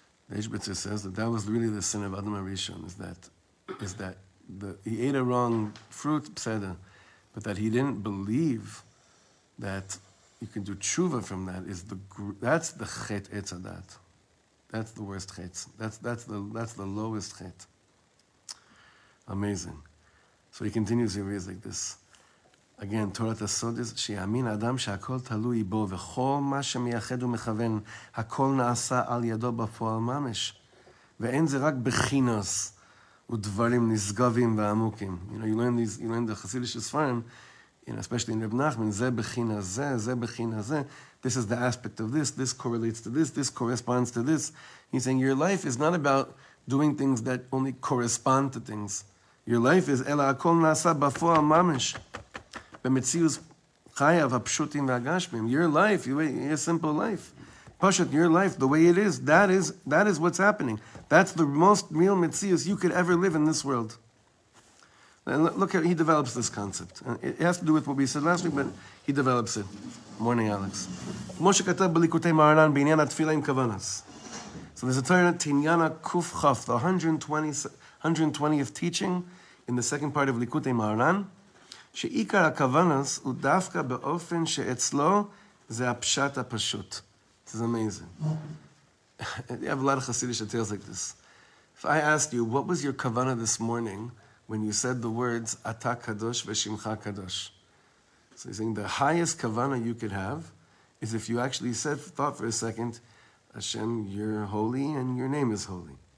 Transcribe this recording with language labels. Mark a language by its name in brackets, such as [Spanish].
[English] The Eshbetzer says that was really the sin of Adam HaRishon, is that he ate a wrong fruit, pseda, but that he didn't believe that you can do tshuva from that is that's the chet etzadat. That's the worst chet. That's the lowest chet. Amazing. So he continues, he reads like this. Again, Torah HaSod is [Hebrew] שיאמין אדם שהכל תלוי בו וכל מה שמייחד ומכוון הכל נעשה על ידו בפועל ממש ואין זה רק בחינוס ודברים נשגבים ועמוקים. [English] You know, you learn the Chassidus Sfarim, you know, especially in Reb Nachman, [Hebrew] זה בחינס זה, זה בחינס זה. [English] This is the aspect of this. This correlates to this. This corresponds to this. He's saying your life is not about doing things that only correspond to things. Your life is [Hebrew] אלא הכל נעשה בפועל ממש. במציאות חייו הפשוטים והגשמים. [English] Your life, your simple life. Pashut, your life, the way it is, that is what's happening. That's the most real mitzius you could ever live in this world. And look how he develops this concept. It has to do with what we said last week, but he develops it. Morning, Alex. [Hebrew] כמו שכתב בליקוטי מהר"ן בעניין התפילה עם כוונס. [English] So there's a Torah, Tinyana Kuf Chaf, the 120th teaching in the second part of Likutei Maharan. [Hebrew] שעיקר הכוונס הוא דווקא באופן שאצלו זה הפשט הפשוט. [English] This is amazing. You have a lot of Chassidish that tells like this. If I asked you, what was your kavana this morning when you said the words, Ata Kadosh Veshimcha Kadosh? So he's saying the highest kavana you could have is if you actually said, thought for a second, Hashem, you're holy and your name is holy.